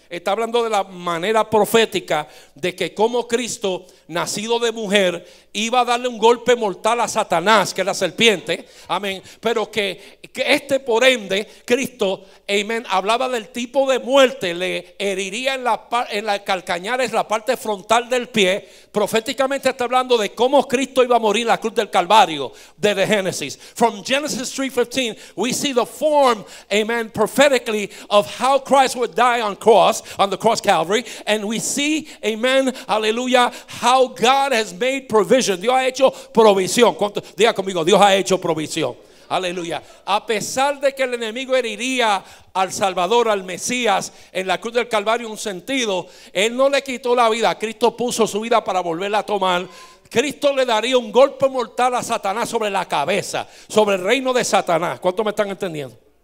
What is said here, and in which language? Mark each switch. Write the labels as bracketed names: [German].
[Spanish] Está hablando de la manera profética de que como Cristo, nacido de mujer, iba a darle un golpe mortal a Satanás, que es la serpiente, amén. Pero que este, por ende, Cristo, amén, hablaba del tipo de muerte, le heriría en la calcañar, es la parte frontal del pie. Proféticamente está hablando de cómo Cristo iba a morir en la cruz del Calvario, desde Génesis. [English] From Genesis 3:15, we see the form, amen, prophetically, of how Christ would die on the cross Calvary, and we see, amen, aleluya, how God has made provision. [Spanish] Dios ha hecho provisión. ¿Cuánto? Diga conmigo: Dios ha hecho provisión. Aleluya. A pesar de que el enemigo heriría al Salvador, al Mesías, en la cruz del Calvario, un sentido, él no le quitó la vida. Cristo puso su vida para volverla a tomar. Cristo le daría un golpe mortal a Satanás sobre la cabeza, sobre el reino de Satanás. ¿Cuánto me están entendiendo?